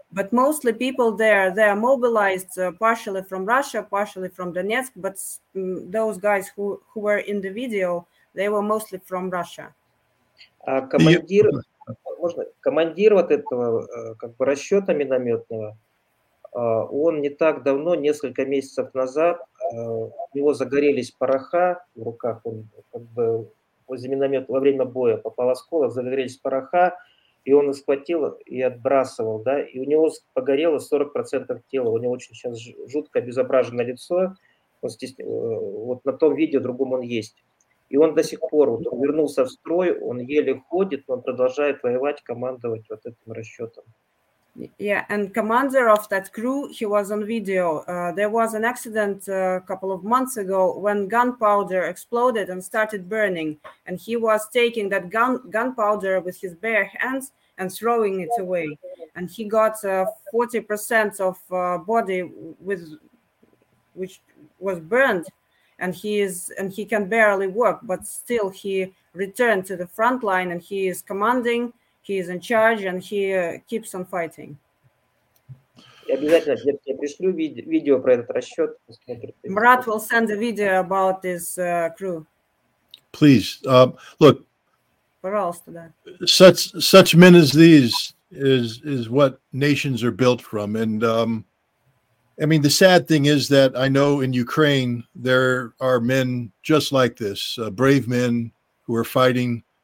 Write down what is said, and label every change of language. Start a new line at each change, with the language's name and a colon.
English: But mostly people there, they are mobilized partially from Russia, partially from Donetsk. But those guys who were in the video, they were mostly from Russia.
Russian: Командир, можно, командир вот этого как бы расчета минометного, он не так давно, несколько месяцев назад, у него загорелись пороха в руках, он как бы возле миномета во время боя попал осколок, загорелись пороха. И он схватил и отбрасывал, да, и у него погорело 40% тела, у него очень сейчас жутко обезображенное лицо, он вот на том видео другом он есть. И он до сих пор вот, он вернулся в строй, он еле ходит, но он продолжает воевать, командовать вот этим расчетом.
English: Yeah, and commander of that crew, he was on video. There was an accident a couple of months ago when gunpowder exploded and started burning. And he was taking that gunpowder with his bare hands and throwing it away. And he got 40% of body which was burned. And he can barely walk, but still he returned to the front line and he is commanding. He is in charge and he keeps on fighting.
Russian: Обязательно я пришлю видео про этот расчет.
English: Murat will send a video about this crew. Please, look.
Russian: Пожалуйста, да.
English: Such men as these is what nations are built from, and I mean the sad thing is that I know in Ukraine there are men just like this, brave men who are fighting.